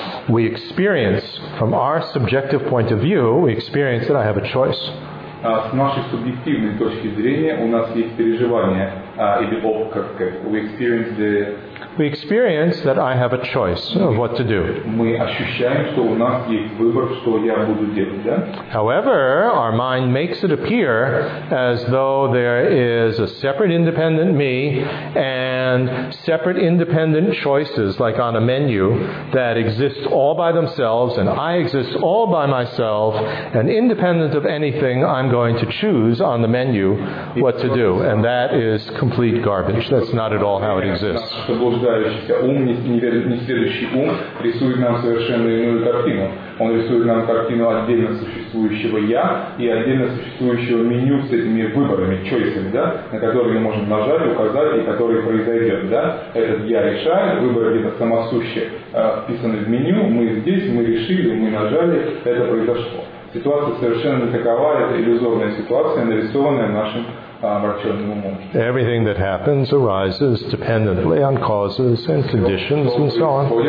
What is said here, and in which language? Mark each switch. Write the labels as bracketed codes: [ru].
[en] We experience, from our subjective point of view, we experience that I have a choice. [ru] С нашей субъективной точки зрения у нас есть переживание, или опыт, как сказать. [en] We experience the... we experience that I have a choice of what to do. [ru] Мы ощущаем, что у нас есть выбор, что я буду делать, да? [en] However, our mind makes it appear as though there is a separate independent me and separate independent choices, like on a menu, that exist all by themselves, and I exist all by myself, and independent of anything, I'm going to choose on the menu what to do. And that is complete garbage. That's not at all how it exists. [ru] Заблуждающийся ум, несведущий ум, рисует нам совершенно иную картину. Он рисует нам картину отдельно существующего «я» и отдельно существующего меню с этими выборами, choices, да, на которые мы можем нажать, указать и которые произойдет. Да? Этот «я» решает, выбор где-то самосущий, вписанный в меню, мы здесь, мы решили, мы нажали, это произошло. Ситуация совершенно такова, это иллюзорная ситуация, нарисованная нашим [en] Everything that happens arises dependently on causes and conditions and so on.